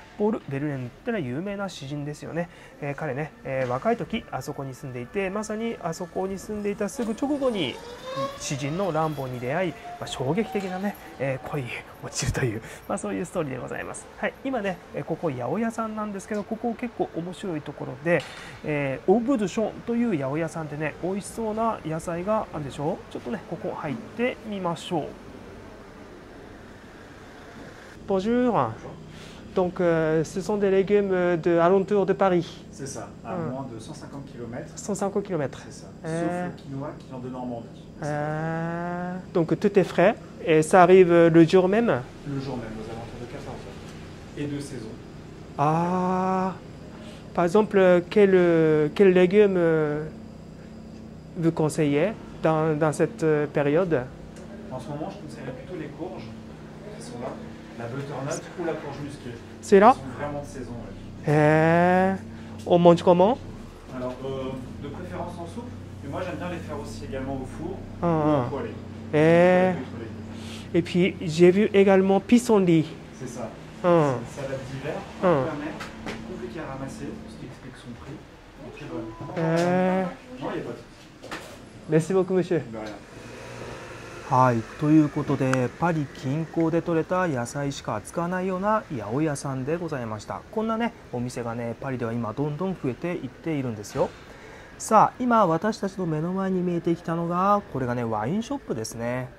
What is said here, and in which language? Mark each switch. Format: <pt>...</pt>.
<ja>ポール・ベルレンヌってのは有名な詩人ですよね。彼ね、若い時あそこに住んでいて、まさにあそこに住んでいたすぐ直後に詩人のランボーに出会い、まあ、衝撃的なね、恋に落ちるという、まあ、そういうストーリーでございます。はい、今ね、ここ八百屋さんなんですけど、ここ結構面白いところで、オブドションという八百屋さんでね、美味しそうな野菜があるでしょ。ちょっとねここ入ってみましょう。ボジュワン。</ja> <fr>Donc, ce sont des légumes de alentour de Paris. C'est ça, à moins de 150 km. 150 km. C'est ça. Sauf le quinoa qui vient de Normandie. Donc, tout est frais et ça arrive le jour même. Le jour même, aux alentours de 14h. Et de saison. Ah, par exemple, quel légume vous conseillez dans cette période ? En ce moment, je conseillerais plutôt les courges qui sont là. La butternut ou la courge musquée. C'est là ? Ils sont vraiment de saison. Ouais. On mange comment ? Alors, de préférence en soupe. Et moi, j'aime bien les faire aussi également au four ou en poêlée. Et puis, j'ai vu également pissenlit. C'est ça. C'est une salade d'hiver. Compliqué à ramasser, ce qui explique son prix. Très bonne. Non, il n'y a pas de... Merci beaucoup, monsieur. De rien.</fr> <ja>はい、ということでパリ近郊で採れた野菜しか扱わないような八百屋さんでございました。こんなねお店がねパリでは今どんどん増えていっているんですよ。さあ、今私たちの目の前に見えてきたのが、これがねワインショップですね。</ja>